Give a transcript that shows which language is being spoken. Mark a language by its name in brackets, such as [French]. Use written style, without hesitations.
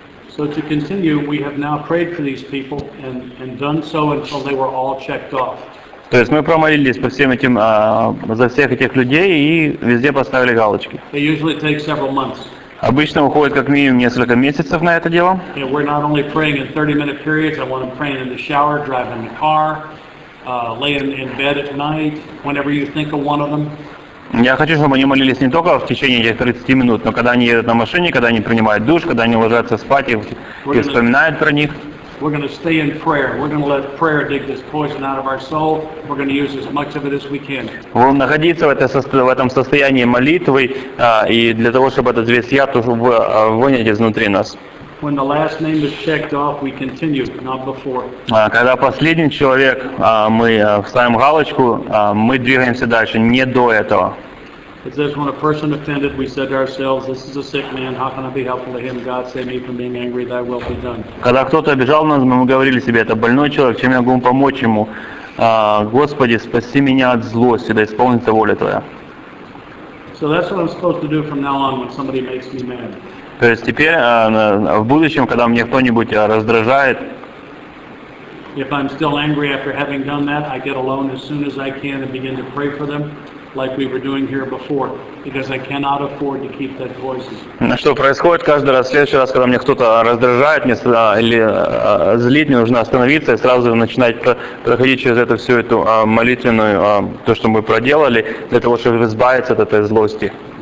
[English] So to continue, we have now prayed for these people and done so until they were all checked off. [Russian] То есть мы промолились по всем этим, за всех этих людей и везде поставили галочки. [English] It usually takes several months. [Russian] Обычно уходит как минимум несколько месяцев на это дело. [English] And we're not only praying in 30-minute periods, I want to pray in the shower, driving the car, laying in bed at night, whenever you think of one of them. [Russian] Я хочу, чтобы они молились не только в течение этих 30 минут, но когда они едут на машине, когда они принимают душ, когда они ложатся спать и вспоминают про них. [English] We're going to stay in prayer. We're going to let prayer dig this poison out of our soul. We're going to use as much of it as we can. [Russian] Будем находиться в этом состоянии молитвы, и для того, чтобы этот весь яд вынять изнутри нас. [English] When the last name is checked off, we continue, not before. [Russian] Когда последний человек, мы вставим галочку, мы двигаемся дальше, не до этого. [English] It says, when a person offended, we said to ourselves, this is a sick man, how can I be helpful to him? God save me from being angry, thy will be done. [Russian] Когда кто-то обижал нас, мы говорили себе, это больной человек, чем я могу помочь ему? Господи, спаси меня от злости, да исполнится воля твоя. [English] So that's what I'm supposed to do from now on when somebody makes me mad. [Russian] То есть теперь, в будущем, когда мне кто-нибудь раздражает, [English] if I'm still angry after having done that, I get alone as soon as I can and begin to pray for them, like we were doing here before, because I cannot afford to keep that voice. [Russian] Что происходит каждый раз, в следующий раз, когда мне кто-то раздражает или злит, мне нужно остановиться и сразу начинать проходить через это всю эту молитвенную, то, что мы проделали, для того, чтобы избавиться от этой злости.